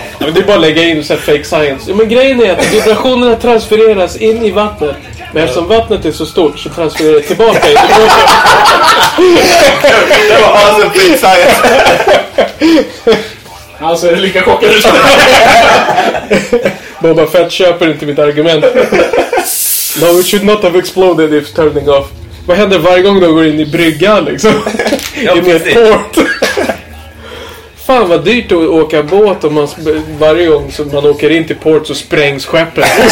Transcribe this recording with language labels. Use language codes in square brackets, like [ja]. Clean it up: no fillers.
[sv] Men det är bara att lägga in så här fake science. Men grejen är att vibrationerna transfereras in i vattnet. Men eftersom vattnet är så stort så transfererar det tillbaka in i båten. Det var awesome fake science. Alltså, är det lika chockad ut? Boba Fett köper inte mitt argument. [en] No, it should not have exploded if turning off. [sv] Vad händer varje gång du går in i bryggan, liksom? Ja, i min port? fan vad dyrt att åka båt om man varje gång som man åker in till port så sprängs skeppet.